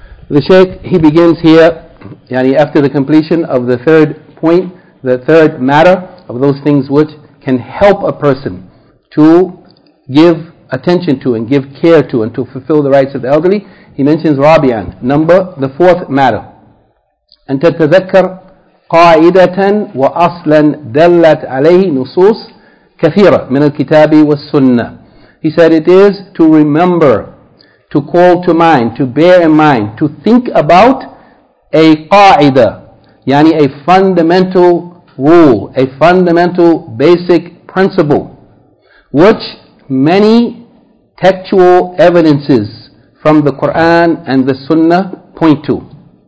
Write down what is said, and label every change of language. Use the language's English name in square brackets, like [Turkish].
[English] The Shaykh, he begins here, yani after the completion of the third point, the third matter of those things which can help a person to give attention to and give care to and to fulfill the rights of the elderly, he mentions Rabian, number, the fourth matter. [Arabic] And تتذكر قاعدة وأصلا دلت عليه نصوص كثيرة من الكتاب والسنة. [English] He said it is to remember, to call to mind, to bear in mind, to think about a qa'ida, yani a fundamental rule, a fundamental basic principle, which many textual evidences from the Quran and the Sunnah point to.